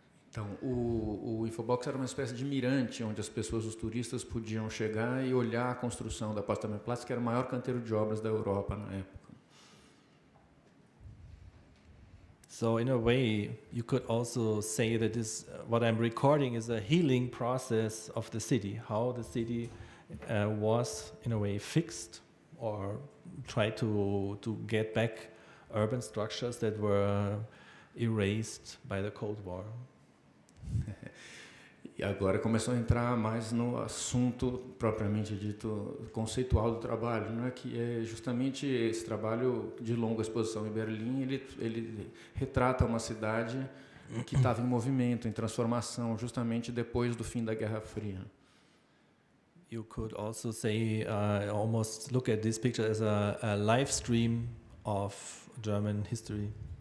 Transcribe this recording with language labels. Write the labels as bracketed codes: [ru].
[pt] Então, o Infobox era uma espécie de mirante onde as pessoas, os turistas, podiam chegar e olhar a construção da Potsdamer Platz, que era o maior canteiro de obras da Europa na época. [en] So in a way, you could also say that this, what I'm recording, is a healing process of the city, how the city was in a way fixed or tried to get back urban structures that were erased by the Cold War. [pt] E agora começou a entrar mais no assunto propriamente dito conceitual do trabalho, não é? Que é justamente esse trabalho de longa exposição em Berlim. Ele retrata uma cidade que estava em movimento, em transformação, justamente depois do fim da Guerra Fria. [en] You could also say, almost look at this picture as a live stream of German history.